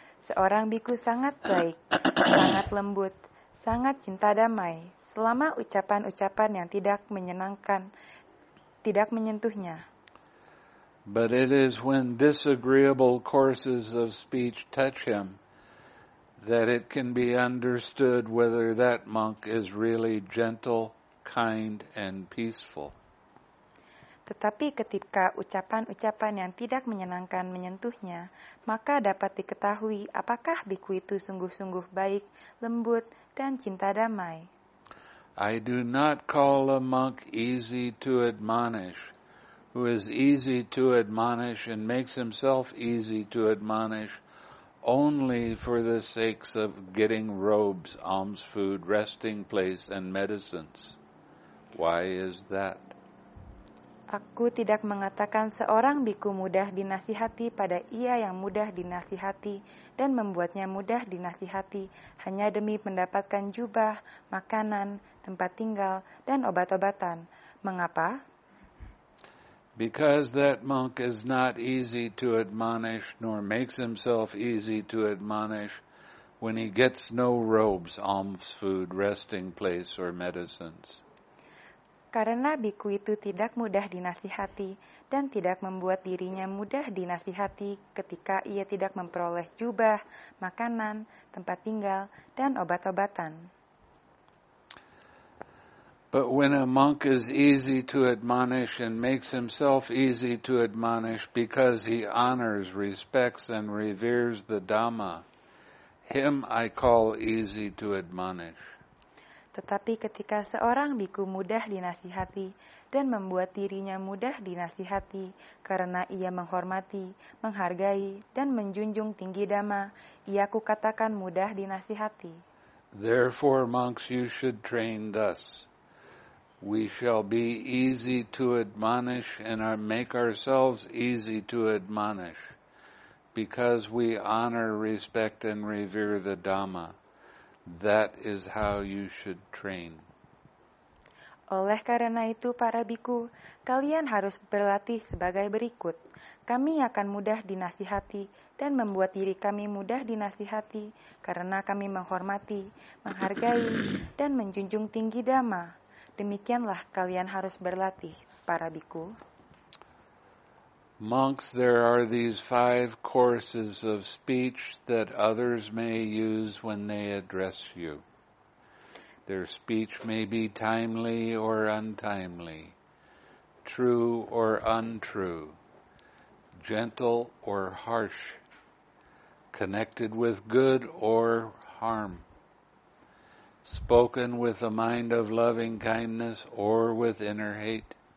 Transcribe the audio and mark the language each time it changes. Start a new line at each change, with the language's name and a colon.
Indonesian: Seorang biku sangat baik, sangat lembut, sangat cinta damai, selama ucapan-ucapan yang tidak menyenangkan, tidak menyentuhnya.
English: But it is when disagreeable courses of speech touch him that it can be understood whether that monk is really gentle, kind, and peaceful.
Indonesian: Tetapi ketika ucapan-ucapan yang tidak menyenangkan menyentuhnya, maka dapat diketahui apakah biku itu sungguh-sungguh baik, lembut, dan cinta damai.
English: I do not call a monk easy to admonish, who is easy to admonish and makes himself easy to admonish only for the sakes of getting robes, alms food, resting place, and medicines. Why is that?
Indonesian: Aku tidak mengatakan seorang biku mudah dinasihati pada ia yang mudah dinasihati dan membuatnya mudah dinasihati hanya demi mendapatkan jubah, makanan, tempat tinggal, dan obat-obatan. Mengapa?
English: Because that monk is not easy to admonish nor makes himself easy to admonish when he gets no robes, alms food, resting place, or medicines.
Indonesian: Karena biku itu tidak mudah dinasihati dan tidak membuat dirinya mudah dinasihati ketika ia tidak memperoleh jubah, makanan, tempat tinggal, dan obat-obatan.
English: But when a monk is easy to admonish and makes himself easy to admonish because he honors, respects, and reveres the Dhamma, him I call easy to admonish.
Indonesian: Tetapi ketika seorang bhikkhu mudah dinasihati dan membuat dirinya mudah dinasihati karena ia menghormati, menghargai, dan menjunjung tinggi Dhamma, ia kukatakan mudah dinasihati.
English: Therefore, monks, you should train thus. We shall be easy to admonish and make ourselves easy to admonish because we honor, respect, and revere the Dhamma. That is how you should train.
Indonesian: Oleh karena itu, para bhikkhu, kalian harus berlatih sebagai berikut. Kami akan mudah dinasihati dan membuat diri kami mudah dinasihati karena kami menghormati, menghargai, dan menjunjung tinggi Dhamma. Demikianlah kalian harus berlatih, para bhikkhu.
English: Monks, there are these five courses of speech that others may use when they address you. Their speech may be timely or untimely, true or untrue, gentle or harsh, connected with good or harm, spoken with a mind of loving kindness or with inner hate.